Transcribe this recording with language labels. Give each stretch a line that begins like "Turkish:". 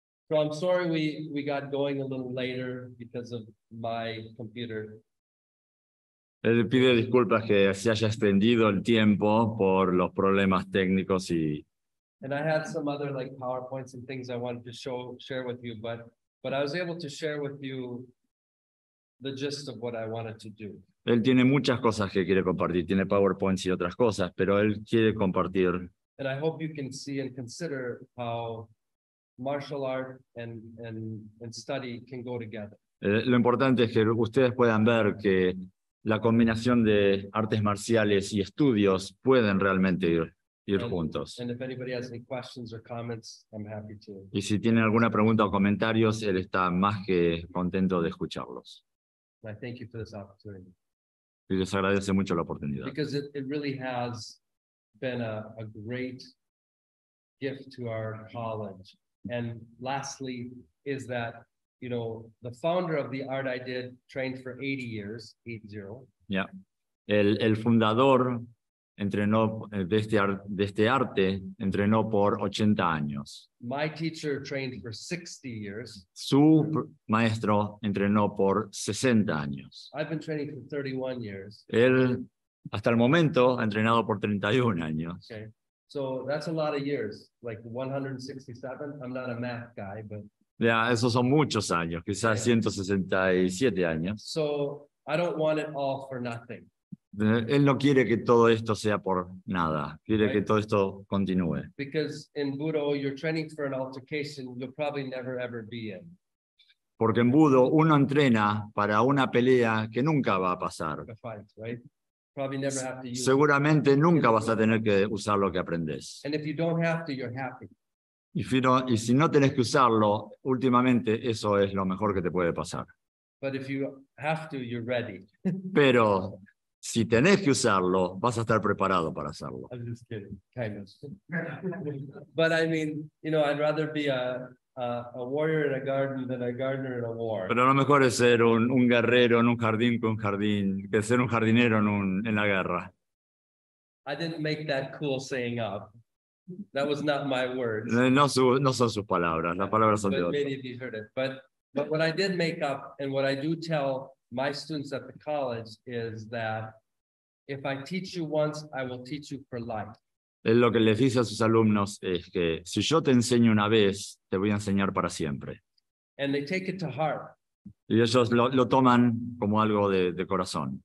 English: So I'm sorry we got going a little later because of my computer.
Spanish: Él pide disculpas que se haya extendido el tiempo por los problemas técnicos y.
English: And I had some other like PowerPoints and things I wanted to share with you, but I was able to share with you the gist of what I wanted to do.
Spanish: Él tiene muchas cosas que quiere compartir, tiene PowerPoints y otras cosas, pero él quiere compartir.
English: And I hope you can see and consider how martial art and study can go together.
Spanish: Lo importante es que ustedes puedan ver que la combinación de artes marciales y estudios pueden realmente ir juntos.
English: And if anybody has any questions or comments, I'm happy to.
Spanish: Y si tienen alguna pregunta o comentarios, él está más que contento de escucharlos.
English: I thank you for this opportunity.
Spanish: Y les agradece mucho la oportunidad.
English: Because it really has been a great gift to our college. And lastly, is that, you know, the founder of the art I did trained for 80 years, 80. Yeah.
Spanish: El fundador entrenó de este arte, entrenó por 80 años.
English: My teacher trained for 60 years.
Spanish: Su maestro entrenó por 60 años.
English: I've been training for 31 years.
Spanish: Él, hasta el momento, ha entrenado por 31 años.
English: Okay. So that's a lot of years, like 167. I'm not a math guy, but.
Spanish: Yeah, esos son muchos años, quizás yeah. 167 años.
English: So I don't want it all for nothing.
Spanish: Él no quiere que todo esto sea por nada. Quiere
English: right?
Spanish: que todo esto continúe.
English: Because in Budo, you're training for an altercation you'll probably never ever be in.
Spanish: Porque en Budo, uno entrena para una pelea que nunca va a pasar.
English: A fight, right? Probably never have to use.
Spanish: Seguramente nunca vas a tener que usar lo que aprendes.
English: And if you don't have to, you're happy.
Spanish: Y si no tenés que usarlo, últimamente eso es lo mejor que te puede pasar.
English: But if you have to, you're ready.
Spanish: Pero si tenés que usarlo, vas a estar preparado para hacerlo.
English: I'm just kidding, kind of. But I mean, you know, I'd rather be a warrior in a garden than a gardener in a war.
Spanish: Pero lo mejor es ser un guerrero en un jardín con un jardín que ser un jardinero en la guerra.
English: I didn't make that cool saying up. That was not my words.
Spanish: No son sus palabras. Las palabras son
English: but
Spanish: de otro.
English: Maybe if you heard it. But what I did make up and what I do tell my students at the college is that if I teach you once, I will teach you for life.
Spanish: Él lo que les dice a sus alumnos es que si yo te enseño una vez, te voy a enseñar para siempre.
English: And they take it to heart.
Spanish: Y ellos lo toman como algo de corazón.